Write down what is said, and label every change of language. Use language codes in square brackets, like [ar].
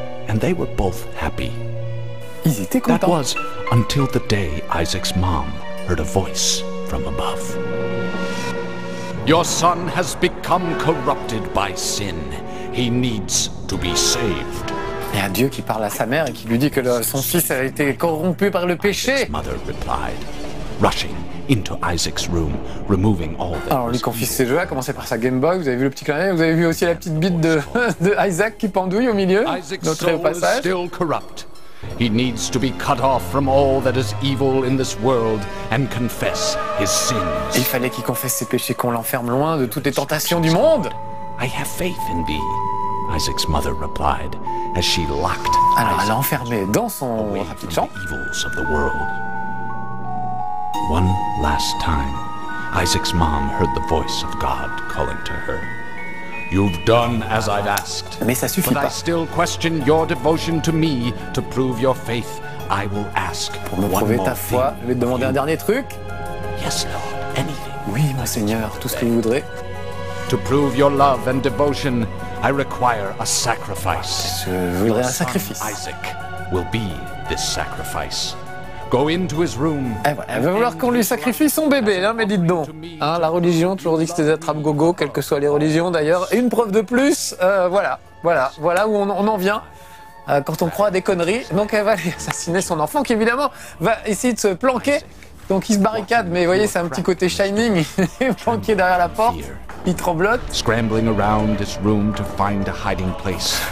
[en] And they were both happy. [fr] Ils étaient contents. [en] That was until the day Isaac's mom heard a voice from above. Your son has become corrupted by sin. He needs to be saved. [fr] Il y a Dieu qui parle à sa mère et qui lui dit que son fils a été corrompu par le péché. [en] Isaac's mother replied, rushing into Isaac's room, removing all that. [fr] Alors, lui confie ses jeux, à commencer par sa Game Boy. Vous avez vu le petit clavier, vous avez vu aussi la petite bite de Isaac qui pendouille au milieu. Notre passage. [en] Still corrupt. He needs to be cut off from all that is evil in this world and confess his sins. [fr] Il fallait qu'il confesse ses péchés, qu'on l'enferme loin de toutes les tentations du monde. [en] I have faith in thee, Isaac's mother replied, as she locked. [fr] Alors, elle l'a enfermé dans son petit champ. [en] The evils of the world. One last time, Isaac's mom heard the voice of God calling to her. You've done as I've asked. [fr] Mais ça suffit pas. [en] But I still question your devotion to me. To prove your faith, I will ask one more thing. [fr] Pour me prouver ta foi, je vais te demander un dernier truc. [en] Yes, Lord, anything. [fr] Oui, mon Seigneur, tout ce que vous voudrez. [en] To prove your love and devotion, I require a sacrifice. [fr] Je voudrais un sacrifice. [en] Isaac will be this sacrifice. Go into his room. [fr] Elle va vouloir qu'on lui sacrifie son bébé, hein, mais dites donc. Hein, la religion, toujours dit que c'était des attrape-gogo, quelles que soient les religions d'ailleurs. Et une preuve de plus, voilà où on en vient quand on croit à des conneries. Donc elle va aller assassiner son enfant qui évidemment va essayer de se planquer. Donc il se barricade, mais vous voyez, c'est un petit côté Shining, planqué derrière la porte. Il tremblote. [en] Scrambling around this room to find a hiding place.